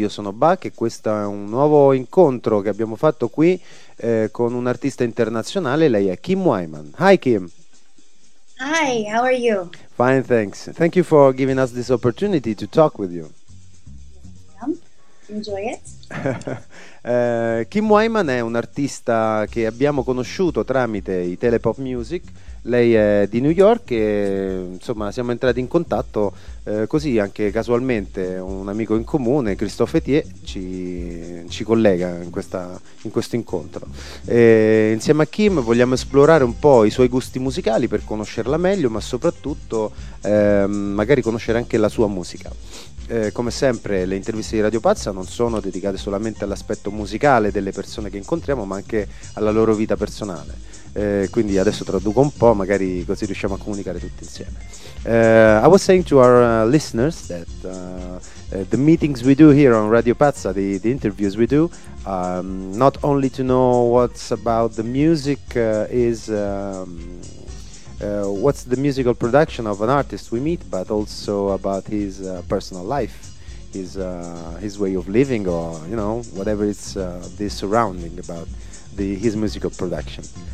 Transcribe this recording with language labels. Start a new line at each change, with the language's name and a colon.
Italian: Io sono Bach e questo è un nuovo incontro che abbiamo fatto qui con un artista internazionale. Lei è Kim Wyman.
English: Hi Kim. Hi, how are you? Fine, thanks. Thank you for giving us this opportunity to talk with you. Enjoy it.
Italian: Kim Wyman è un artista che abbiamo conosciuto tramite i Telepop Music. Lei è di New York e insomma siamo entrati in contatto così anche casualmente. Un amico in comune, Christophe Etier, ci collega in questo incontro. E insieme a Kim vogliamo esplorare un po' i suoi gusti musicali per conoscerla meglio, ma soprattutto magari conoscere anche la sua musica. Come sempre, le interviste di Radio Pazza non sono dedicate solamente all'aspetto musicale delle persone che incontriamo, ma anche alla loro vita personale. Quindi adesso traduco un po', magari così riusciamo a comunicare tutti insieme.
English: I was saying to our listeners that the meetings we do here on Radio Pazza, the interviews we do, not only to know what's about the music what's the musical production of an artist we meet, but also about his personal life, his way of living, or you know whatever it's the surrounding about his musical production.